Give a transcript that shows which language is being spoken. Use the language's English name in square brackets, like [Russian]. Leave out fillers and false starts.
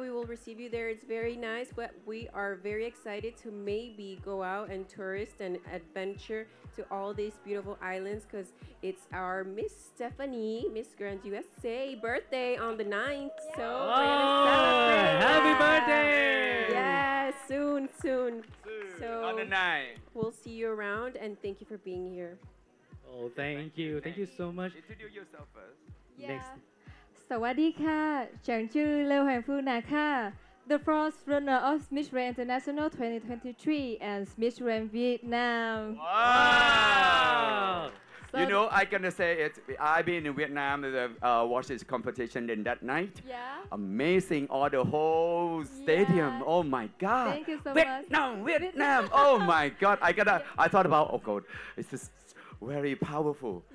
[English] We will receive you there. It's very nice, but we are very excited to maybe go out and tourist and adventure to all these beautiful islands because it's our Miss Stephanie, Miss Grand USA birthday on the 9th. Yeah. So oh, happy birthday! Yes, yeah, soon, soon. So on the 9th. We'll see you around and thank you for being here. Oh, thank you. Thank you so much. Introduce yourself first. [Thai] สวัสดีค่ะฉันชื่อเลวแห่งฟูนาค่ะ [English] The first runner of Smith Rain International 2023 and Smith Rain Vietnam. Wow! So you know, I'm gonna say it. I've been in Vietnam to watch this competition in that night. Yeah. Amazing, all the whole stadium. Yeah. Oh my God. Thank you so Vietnam, much. Vietnam, oh my God. I thought about, oh God, it's just very powerful.